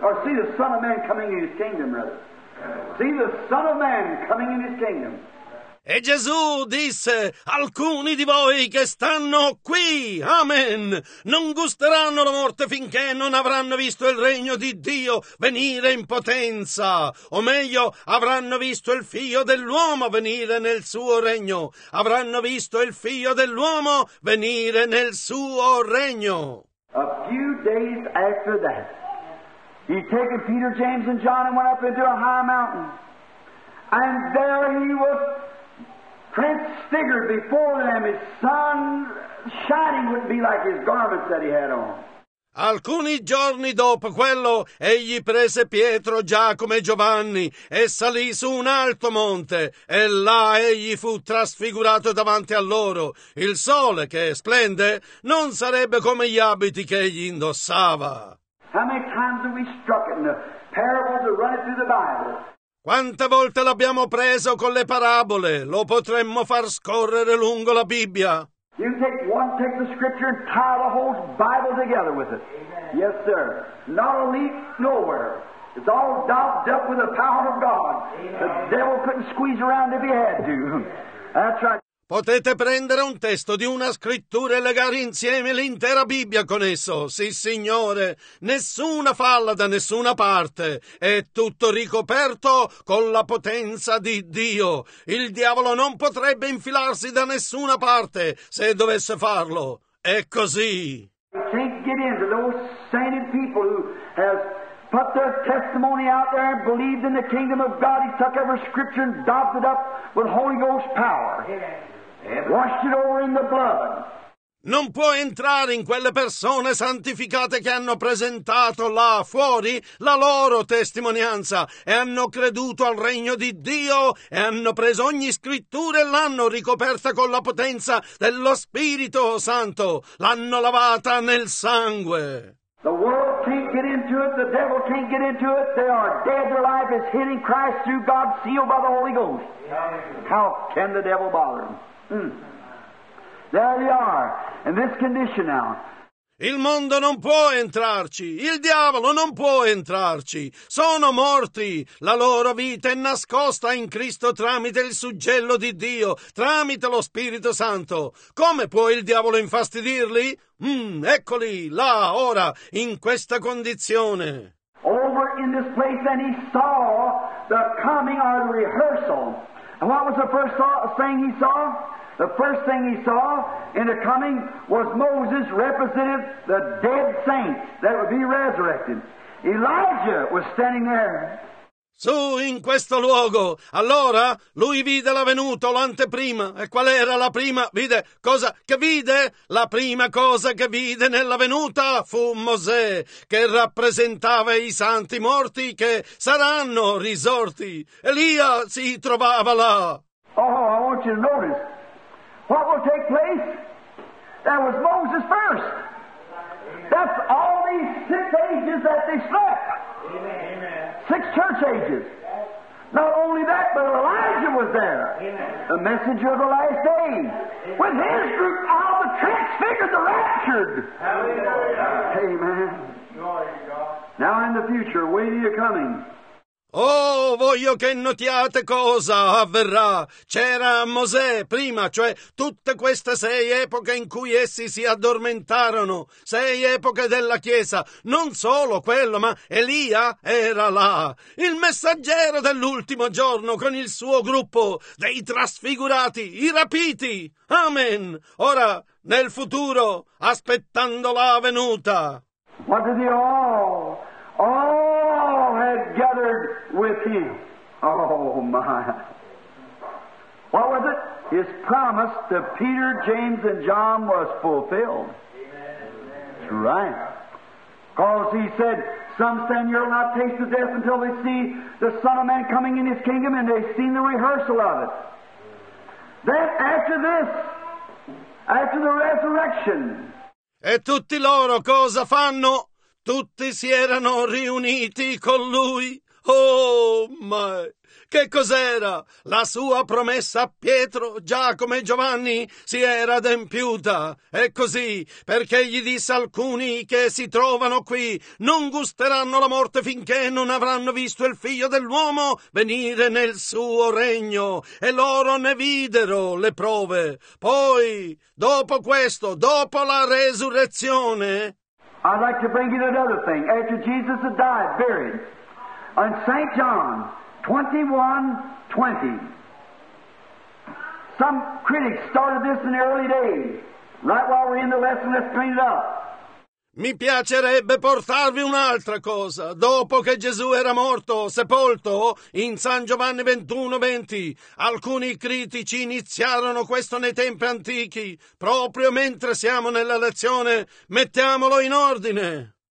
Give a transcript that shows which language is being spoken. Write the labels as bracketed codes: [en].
[en] Or see the Son of Man coming in his kingdom, brother. See the Son of Man coming in his kingdom. [it] E Gesù disse: alcuni di voi che stanno qui, amen, non gusteranno la morte finché non avranno visto il regno di Dio venire in potenza, o meglio, avranno visto il Figlio dell'uomo venire nel suo regno. Avranno visto il Figlio dell'uomo venire nel suo regno. [en] A few days after that, he taken Peter, James, and John and went up into a high mountain. And there he was transfigured before them, his sun shining would be like his garments that he had on. [it] Alcuni giorni dopo quello, egli prese Pietro, Giacomo e Giovanni e salì su un alto monte, e là egli fu trasfigurato davanti a loro. Il sole che splende non sarebbe come gli abiti che egli indossava. [en] How many times have we struck it in the parables that run it through the Bible? [it] Quante volte l'abbiamo preso con le parabole? Lo potremmo far scorrere lungo la Bibbia. [en] You take one, take the scripture and tie the whole Bible together with it. Amen. Yes, sir. Not a leaf nowhere. It's all dolled up with the power of God. Amen. The devil couldn't squeeze around if he had to. That's right. [it] Potete prendere un testo di una scrittura e legare insieme l'intera Bibbia con esso. Sì, Signore, nessuna falla da nessuna parte. È tutto ricoperto con la potenza di Dio. Il diavolo non potrebbe infilarsi da nessuna parte se dovesse farlo. È così. [en] Can't get into those sainted people who have put their testimony out there and believed in the kingdom of God. He took every scripture and dobbed it up with Holy Ghost power. Washed it over in the blood. [it] Non può entrare in quelle persone santificate che hanno presentato là fuori la loro testimonianza e hanno creduto al regno di Dio e hanno preso ogni scrittura e l'hanno ricoperta con la potenza dello Spirito Santo. L'hanno lavata nel sangue. [en] The world can't get into it. The devil can't get into it. They are dead. Their life is hid in Christ through God, sealed by the Holy Ghost. How can the devil bother them? There they are, in this condition now. [it] Il mondo non può entrarci, il diavolo non può entrarci. Sono morti, la loro vita è nascosta in Cristo tramite il suggello di Dio, tramite lo Spirito Santo. Come può il diavolo infastidirli? Eccoli, là, ora, in questa condizione. [en] Over in this place, and he saw the coming of the rehearsal. And what was the first thing he saw? The first thing he saw in the coming was Moses represented the dead saints that would be resurrected. Elijah was standing there. [it] Su in questo luogo, allora lui vide la venuta, l'anteprima. E qual era la prima? Vide cosa che vide? La prima cosa che vide nella venuta fu Mosè, che rappresentava i santi morti che saranno risorti. Elia si trovava là. [en] Oh, I want you to notice. What will take place? That was Moses first. That's all these six ages that they slept. Amen. Six church ages. Not only that, but Elijah was there. Amen. The messenger of the last day. With his group, all the transfigured, the raptured. Hallelujah. Amen. Glory to God. Now in the future, when are you coming? [it] Oh, voglio che notiate cosa avverrà. C'era Mosè prima, cioè tutte queste sei epoche in cui essi si addormentarono, sei epoche della Chiesa, non solo quello, ma Elia era là, il messaggero dell'ultimo giorno con il suo gruppo dei trasfigurati, i rapiti. Amen. Ora, nel futuro, aspettando la venuta. [en] What did you all had gathered with him. Oh, my. What was it? His promise to Peter, James, and John was fulfilled. Amen. That's right. Because he said, some stand here will not taste of death until they see the Son of Man coming in his kingdom, and they've seen the rehearsal of it. Then after this, after the resurrection. [it] E tutti loro cosa fanno? Tutti si erano riuniti con lui. Oh, ma che cos'era? La sua promessa a Pietro, Giacomo e Giovanni si era adempiuta. E così, perché gli disse: alcuni che si trovano qui non gusteranno la morte finché non avranno visto il Figlio dell'uomo venire nel suo regno. E loro ne videro le prove. Poi, dopo questo, dopo la resurrezione, [en] I'd like to bring you another thing. After Jesus had died, buried, on St. John 21:20, some critics started this in the early days, right while we're in the lesson, let's clean it up. [it] Mi piacerebbe portarvi un'altra cosa. Dopo che Gesù era morto, sepolto, in San Giovanni 21:20, alcuni critici iniziarono questo nei tempi antichi. Proprio mentre siamo nella lezione, mettiamolo in ordine.